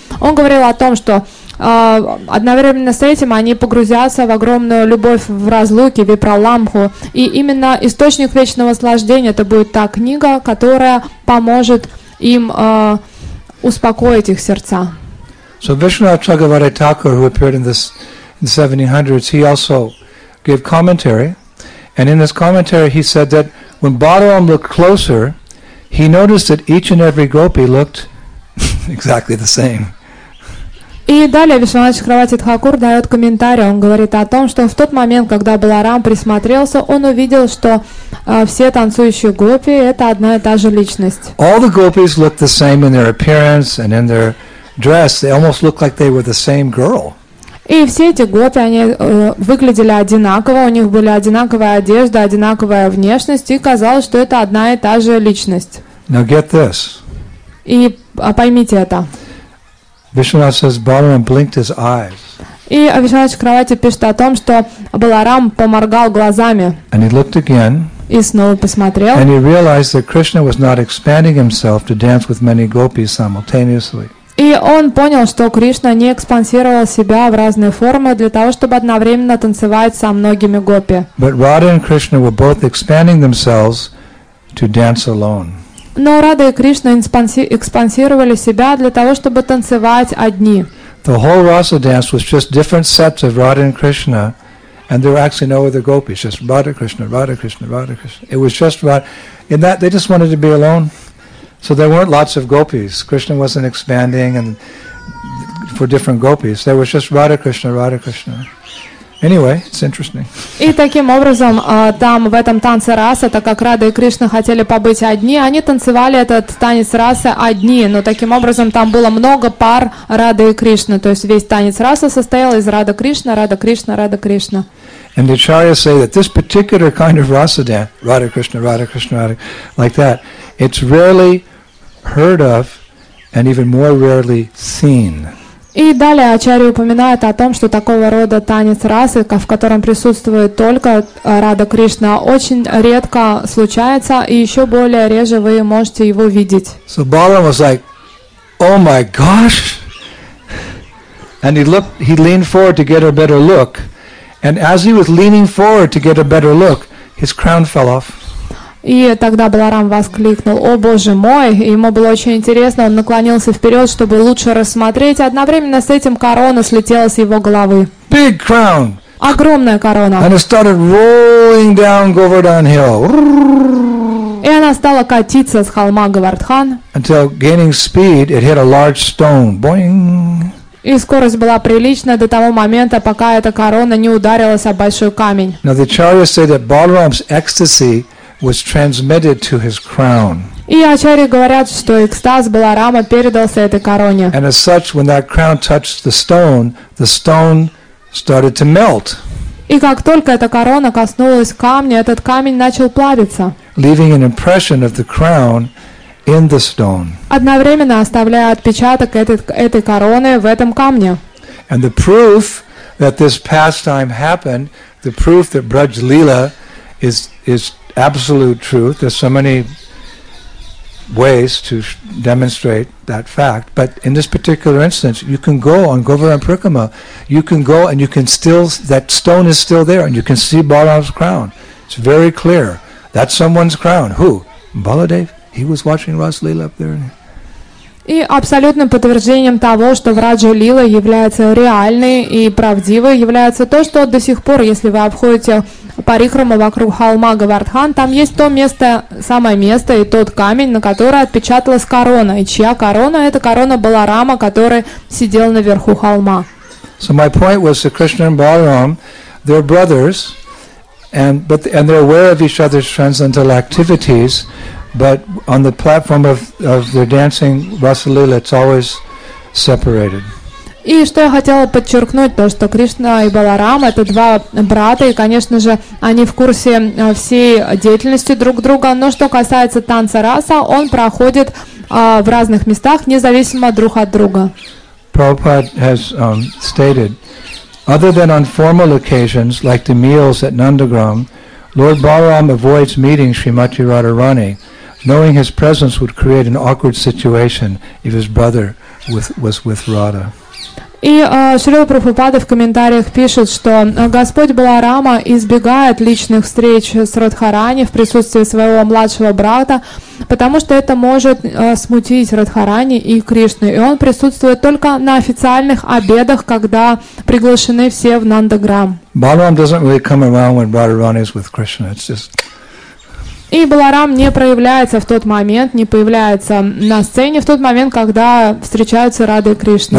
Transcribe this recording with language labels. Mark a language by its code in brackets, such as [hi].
[ru] Он говорил о том, что одновременно с этим они погрузятся в огромную любовь в разлуке, випраламху. И именно «Источник вечного наслаждения» — это будет та книга, которая поможет им успокоить их сердца. [en] So Vishnu Chakravarti Thakur, who appeared in this in the 1700s, he also gave commentary, and in his commentary he said that when Balaram looked closer, he noticed that each and every gopi looked exactly the same. [ru] И далее Вишванатха Чакраварти Тхакур дает комментарий. Он говорит о том, что в тот момент, когда Баларам присмотрелся, он увидел, что все танцующие гопи — это одна и та же личность. [en] All the gopis look the same in their appearance and in their dress. They almost look like they were the same girl. [ru] И все эти гопи, они выглядели одинаково. У них были одинаковая одежда, одинаковая внешность, и казалось, что это одна и та же личность. [en] Now get this. [ru] И поймите это. [en] Vishwanath says Balaram blinked his eyes. [ru] И Вишванатха Чакраварти пишет о том, что Баларам поморгал глазами. [en] And he looked again. [ru] И снова посмотрел. [en] And he realized that Krishna was not expanding himself to dance with many gopis simultaneously. [ru] И он понял, что Кришна не экспансировал себя в разные формы для того, чтобы одновременно танцевать со многими гопи. [en] But Radha and Krishna were both expanding themselves to dance alone. [ru] Но Рада и Кришна экспансировали себя для того, чтобы танцевать одни. [en] The whole Rasa dance was just different sets of Radha and Krishna, and there were actually no other gopis, just Radha Krishna, Radha Krishna, Radha Krishna. It was just Radha. In that, they just wanted to be alone. So there weren't lots of gopis. Krishna wasn't expanding and for different gopis. There was just Radha Krishna, Radha Krishna. Anyway, it's interesting. [ru] И таким образом, там в этом танце расы, так как Рада и Кришна хотели побыть одни, они танцевали этот танец расы одни, но таким образом там было много пар Рады и Кришны, то есть весь танец расы состоял из Рада Кришна, Рада Кришна, Рада Кришна. [en] And the acharyas say that this particular kind of rasa dance, Rada Krishna, Rada Krishna, Rada, like that, it's rarely heard of and even more rarely seen. [ru] И далее Ачарья упоминает о том, что такого рода танец расы, в котором присутствует только Рада Кришна, очень редко случается, и еще более реже вы можете его видеть. [en] So Balaram was like, oh my gosh! And he leaned forward to get a better look. And as he was leaning forward to get a better look, his crown fell off. [ru] И тогда Баларам воскликнул: «О, Боже мой!» И ему было очень интересно, он наклонился вперед, чтобы лучше рассмотреть. Одновременно с этим корона слетела с его головы. [en] Big crown. [ru] Огромная корона. [en] And it started rolling down Govardhan Hill. [ru] И она стала катиться с холма Говардхан. [en] Until gaining speed, it hit a large stone. Boing. [ru] И скорость была приличная до того момента, пока эта корона не ударилась о большой камень. [en] Now the acharyas say that Balaram's ecstasy was transmitted to his crown. [ru] И ачарьи говорят, что экстаз Баларама передался этой короне. [en] And as such, when that crown touched the stone started to melt. [ru] И как только эта корона коснулась камня, этот камень начал плавиться. [en] Leaving an impression of the crown in the stone. [ru] Одновременно оставляя отпечаток этой короны в этом камне. [en] And the proof that this pastime happened, the proof that Braj Lila is absolute truth. There's so many ways to demonstrate that fact, but in this particular instance, you can go on Govardhan Parikrama. You can go and you can still, that stone is still there, and you can see Balaram's crown. It's very clear. That's someone's crown. Who? Baladev. He was watching Rasalila up there. [ru] И абсолютным подтверждением того, что Враджа Лила является реальной и правдивой, является то, что до сих пор, если вы обходите парикрама вокруг холма Говардхан, там есть то место, самое место и тот камень, на который отпечаталась корона. И чья корона? Это корона Баларама, который сидел наверху холма. [en] So my point was that Krishna and Balaram, they're brothers, and they're aware of each other's transcendental activities, but on the platform of their dancing Rasa Lila, it's always separated. [ru] И что я хотела подчеркнуть, то что Кришна и Баларам это два брата, и, конечно же, они в курсе всей деятельности друг друга, но что касается танца раса, он проходит в разных местах, независимо друг от друга. [en] Prabhupada has stated, other than on formal occasions, like the meals at Nandagram, Lord Balaram avoids meeting Srimati Radharani, knowing his presence would create an awkward situation if his brother was with Radha. [ru] И Шрила Прабхупада в комментариях пишет, что Господь Баларама избегает личных встреч с Радхарани в присутствии своего младшего брата, потому что это может смутить Радхарани и Кришну. И он присутствует только на официальных обедах, когда приглашены все в Нандаграм. [en] Баларам doesn't really come around when Radharani is with Krishna. It's just... [ru] И Баларам не проявляется в тот момент, не появляется на сцене в тот момент, когда встречаются Рада и Кришна.